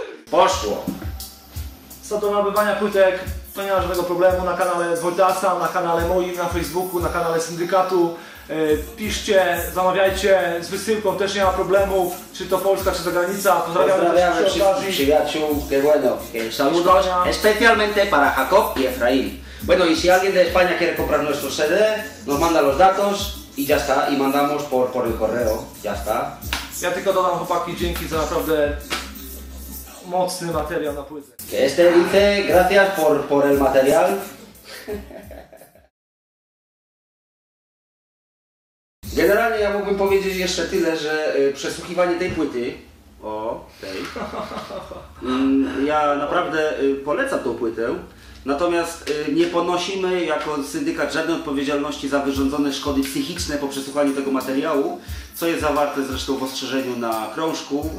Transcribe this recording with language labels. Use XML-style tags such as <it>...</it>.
<pl>Poszło! Co do nabywania płytek, to nie ma żadnego problemu na kanale Wojtasa, na kanale moim, na Facebooku, na kanale Syndykatu. Piszcie, zamawiajcie z wysyłką, też nie ma problemu, czy to Polska, czy zagranica. Pozdrawiamy wszystkich przyjaciół,</pl> <es>que bueno, que saludos, especialmente para Jacob y Efraín. Bueno, y si alguien de España quiere comprar nuestro CD, nos manda los datos y ya está, y mandamos por el correo, ya está.</es> <pl>Ja tylko dodam, chłopaki, dzięki za naprawdę mocny materiał na płytę.</pl> <es>Que este dice gracias por el material.</es> <pl>Generalnie ja mógłbym powiedzieć jeszcze tyle, że przesłuchiwanie tej płyty... O, tej. Ja naprawdę polecam tą płytę. Natomiast nie ponosimy jako syndykat żadnej odpowiedzialności za wyrządzone szkody psychiczne po przesłuchaniu tego materiału, co jest zawarte zresztą w ostrzeżeniu na krążku.</pl>